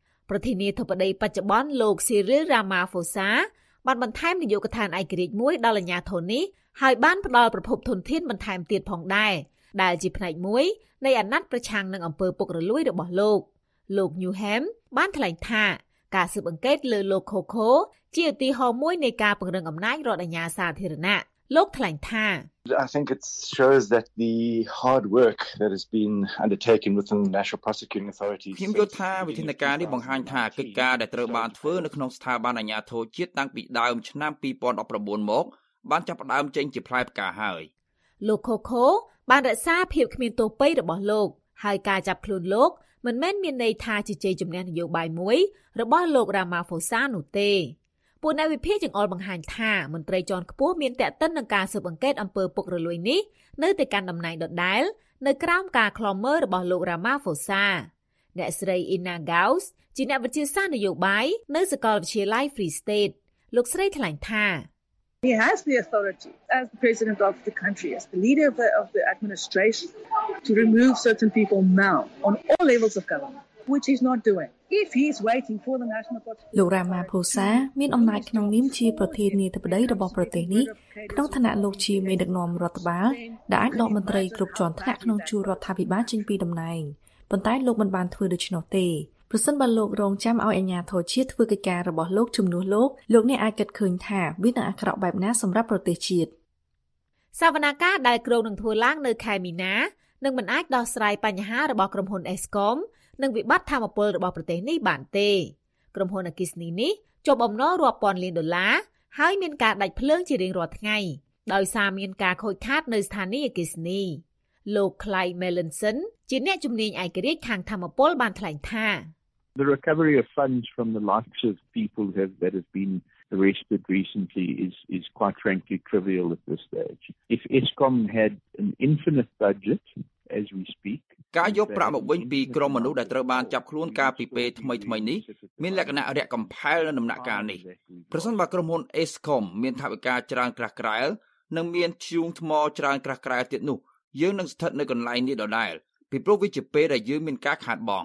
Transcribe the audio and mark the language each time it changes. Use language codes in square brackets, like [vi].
[km] ប្រធានាធិបតីបច្ចុប្បន្នលោក Cyril Ramaphosa បានបន្ថែមនាយកដ្ឋានឯករាជ្យមួយដល់អាជ្ញាធរនេះហើយបានផ្ដល់ប្រភពធនធានបន្ថែមទៀតផងដែរដែលជាផ្នែកមួយនៃអាណត្តិប្រឆាំងនឹងអំពើពុករលួយរបស់លោកNewham បានថ្លែងថាការស៊ើបអង្កេតលើលោក Coco ជាឧទាហរណ៍មួយនៃការពង្រឹងអំណាចរដ្ឋអាជ្ញាសាធារណៈលោកថ្លែងថា [en] I think it shows that the hard work that has been undertaken within the national prosecuting authorities [km] ខ្ញុំយល់ថាវិធានការនេះបង្ហាញថាកិច្ចការដែលត្រូវបានធ្វើនៅក្នុងស្ថាប័នអាជ្ញាធរជាតិតាំងពីដើមឆ្នាំ2019មកបានចាប់ផ្ដើមចេញជាផ្លែផ្កាហើយ លោក Coco បានរក្សាភាពគ្មានទោសពៃរបស់លោកហើយការចាប់ខ្លួនលោកមិនមែនមានន័យថាជាជ័យជំនះនយោបាយមួយរបស់លោក Ramaphosa នោះទេពួកអ្នកវិភាគចង្អុលបង្ហាញថាមន្ត្រីជាន់ខ្ពស់មានតាក់ទិននឹងការស៊ើបអង្កេតអំពើពុករលួយនេះនៅទីកាន់តំណែងដដែលនៅក្រោមការឃ្លាំមើលរបស់លោក Ramaphosa អ្នកស្រី Ina Gauss ជាអ្នកវិទ្យាសាស្ត្រនយោបាយនៅសាកលវិទ្យាល័យ Free State លោកស្រីថ្លែងថា [en] He has the authority as the president of the country, as the leader of the administration, to remove certain people now on all levels of government, which he's not doing. If he's waiting for the national prosecutor, [km] លោក Ramaphosa មានអំណាចក្នុងនាមជាប្រធានាធិបតីរបស់ប្រទេសនេះក្នុងឋានៈលោកជាមេដឹកនាំរដ្ឋបាលដែលអាចដកមន្ត្រីគ្រប់ជាន់ថ្នាក់ក្នុងជួររដ្ឋាភិបាលចេញពីតំណែងប៉ុន្តែលោកមិនបានធ្វើដូច្នោះទេប្រសិនបើលោករងចាំឲ្យអាជ្ញាធរជាតិធ្វើកិច្ចការរបស់លោកជំនួសលោកលោកនេះអាចគិតឃើញថាវានឹងអាក្រក់បែបណាសម្រាប់ប្រទេសជាតិ សវនាកាដែលក្រុងនឹងធ្វើឡើងនៅខែមីនានឹងមិនអាចដោះស្រាយបញ្ហារបស់ក្រុមហ៊ុន Escom និងវិបត្តិធម៌ពលរបស់ប្រទេសនេះបានទេក្រុមហ៊ុនអគិសនីនេះជួបបំណុលរាប់ពាន់លានដុល្លារហើយមានការដាច់ភ្លើងជារៀងរាល់ថ្ងៃដោយសារមានការខូចខាតនៅស្ថានីយ៍អគិសនីលោក Clay Melanson ជាអ្នកជំនាញឯករាជ្យខាងធម្មពលបានថ្លែងថា [en] The recovery of funds from the lives of people who have that has been arrested recently is quite frankly trivial at this stage. If Eskom had an infinite budget as we speak [km] ការយកប្រាក់មកវិញពីក្រុមមនុស្សដែលត្រូវបានចាប់ខ្លួនកាលពីពេលថ្មីៗនេះមានលក្ខណៈរកកំផែលនៅដំណាក់កាលនេះប្រសិនបើក្រុមហ៊ុន Eskom មានថវិកាច្រើនក្រាស់ក្រែលនិងមានធ្យូងថ្មច្រើនក្រាស់ក្រែលទៀតនោះយើងនឹងស្ថិតនៅកន្លែងនេះដដែលពីព្រោះវាជាពេលដែលយើងមានការខាតបង